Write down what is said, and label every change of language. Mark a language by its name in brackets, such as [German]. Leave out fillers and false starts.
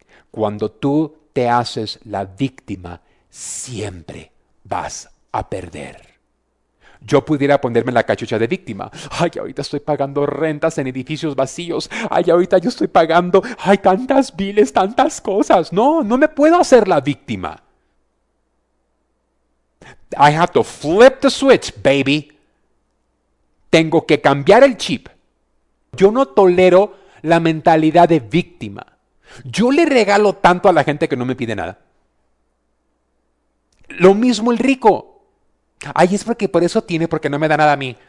[Spanish] Cuando tú te haces la víctima, siempre vas a perder. Yo pudiera ponerme la cachucha de víctima. Ay, ahorita estoy pagando rentas en edificios vacíos. Ay, ahorita yo estoy pagando. Ay, tantas biles, tantas cosas. No, no me puedo hacer la víctima. [English] I have to flip the switch, baby. [Spanish] Tengo que cambiar el chip. Yo no tolero la mentalidad de víctima. Yo le regalo tanto a la gente que no me pide nada. Lo mismo el rico. Ay, es porque por eso tiene, porque no me da nada a mí.